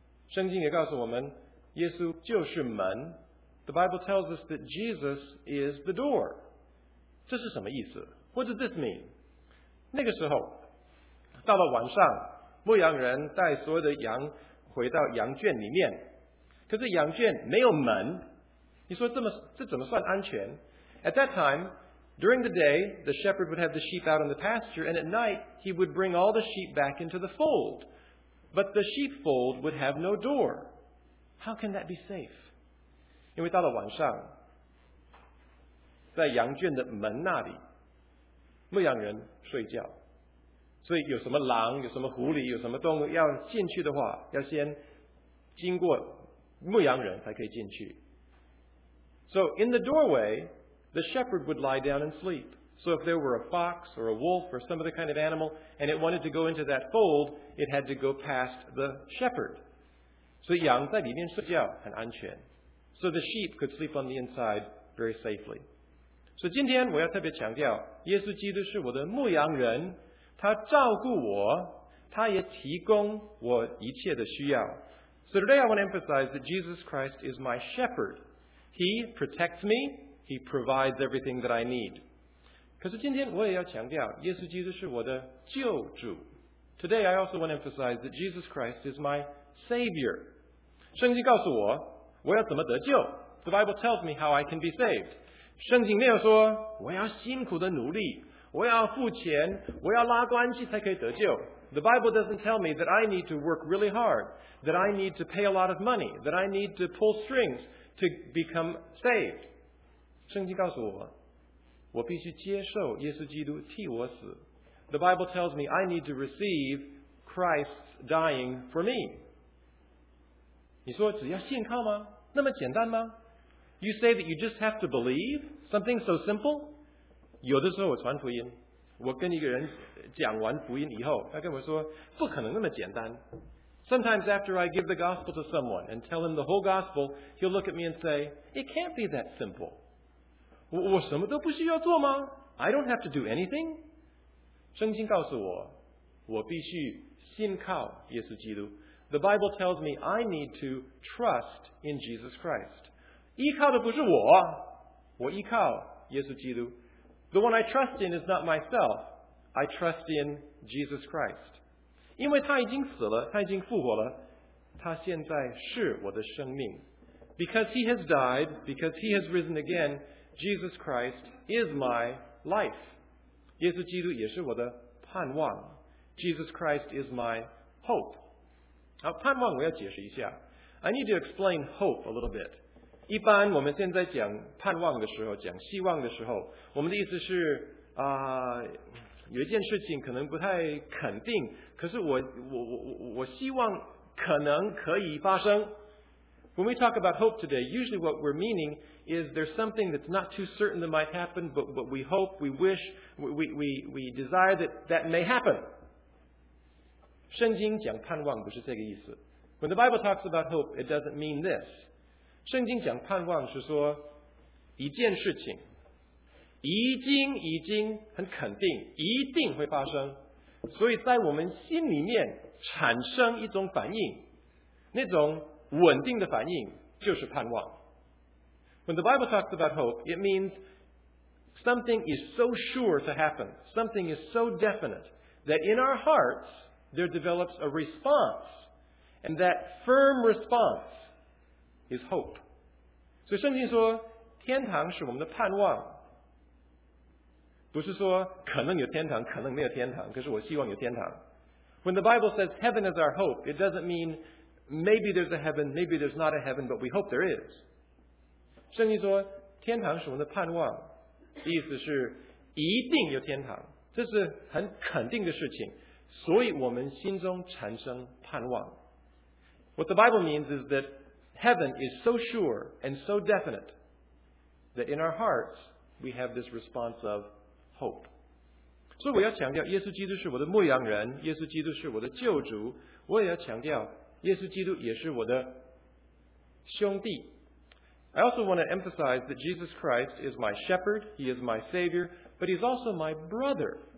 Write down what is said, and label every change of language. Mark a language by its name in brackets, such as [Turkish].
[Chinese] 圣经也告诉我们，耶稣就是门。 [English] The Bible tells us that Jesus is the door. [Chinese] 这是什么意思？ [English] What does this mean? [Chinese] 那个时候，到了晚上，牧羊人带所有的羊回到羊圈里面，可是羊圈没有门。你说这怎么算安全？ [English] At that time, during the day, the shepherd would have the sheep out in the pasture, and at night, he would bring all the sheep back into the fold. But the sheepfold would have no door. How can that be safe? [Chinese] 因为到了晚上，在羊圈的门那里，牧羊人睡觉。所以有什么狼，有什么狐狸，有什么动物要进去的话，要先经过牧羊人才可以进去。 [English] So in the doorway, the shepherd would lie down and sleep. So if there were a fox or a wolf or some other kind of animal, and it wanted to go into that fold, it had to go past the shepherd. [Chinese] 所以羊在里面睡觉很安全。 [English] So the sheep could sleep on the inside very safely. [Chinese] 所以今天我要特别强调，耶稣基督是我的牧羊人，他照顾我，他也提供我一切的需要。 [English] So today I want to emphasize that Jesus Christ is my shepherd. He protects me. He provides everything that I need. [Chinese] 可是今天我也要强调，耶稣基督是我的救主。 [English] Today I also want to emphasize that Jesus Christ is my Savior. [Chinese] 圣经告诉我，我要怎么得救。 [English] The Bible tells me how I can be saved. [Chinese] 圣经没有说，我要辛苦的努力，我要付钱，我要拉关系才可以得救。 [English] The Bible doesn't tell me that I need to work really hard, that I need to pay a lot of money, that I need to pull strings,to become saved. [Chinese] 圣经告诉我，我必须接受耶稣基督替我死。 [English] The Bible tells me I need to receive Christ's dying for me. [Chinese] 你说只要信靠吗？那么简单吗？ [English] You say that you just have to believe? Something so simple? [Chinese] 有的时候我传福音，我跟一个人讲完福音以后，他跟我说，不可能那么简单。 [English] Sometimes after I give the gospel to someone and tell him the whole gospel, he'll look at me and say, it can't be that simple. [Chinese] 我什么都不需要做吗? [English] I don't have to do anything. [Chinese] 圣经告诉我，我必须信靠耶稣基督。 [English] The Bible tells me I need to trust in Jesus Christ. [Chinese] 依靠的不是我，我依靠耶稣基督。 [English] The one I trust in is not myself. I trust in Jesus Christ. [Chinese] 因为他已经死了，他已经复活了，他现在是我的生命。 [English] Because he has died, because he has risen again, Jesus Christ is my life. [Chinese] 耶稣基督也是我的盼望。 [English] Jesus Christ is my hope. [Chinese] 好，盼望我要解释一下。 [English] I need to explain hope a little bit. [Chinese] 一般我们现在讲盼望的时候，讲希望的时候，我们的意思是啊。有一件事情可能不太肯定，可是我希望可能可以发生。 [English] When we talk about hope today, usually what we're meaning is there's something that's not too certain that might happen, but we hope, we wish, we desire that may happen. [Chinese] 圣经讲盼望不是这个意思。 [English] When the Bible talks about hope, it doesn't mean this. [Chinese] 圣经讲盼望是说一件事情。已经很肯定，一定会发生，所以在我们心里面产生一种反应，那种稳定的反应就是盼望。 [English] When the Bible talks about hope, it means something is so sure to happen, something is so definite, that in our hearts there develops a response, and that firm response is hope. [Chinese] 所以圣经说，天堂是我们的盼望。不是说可能有天堂，可能没有天堂，可是我希望有天堂。 [English] When the Bible says heaven is our hope, it doesn't mean maybe there's a heaven, maybe there's not a heaven, but we hope there is. [Chinese] 圣经说天堂是我们的盼望，意思是一定有天堂，这是很肯定的事情，所以我们心中产生盼望。 [English] What the Bible means is that heaven is so sure and so definite that in our hearts we have this response of hope. [Chinese] 所以我要强调，耶稣基督是我的牧羊人，耶稣基督是我的救主，我也要强调耶稣基督也是我的兄弟。 [English] I also want to emphasize that Jesus Christ is my shepherd, he is my savior, but he's also my brother.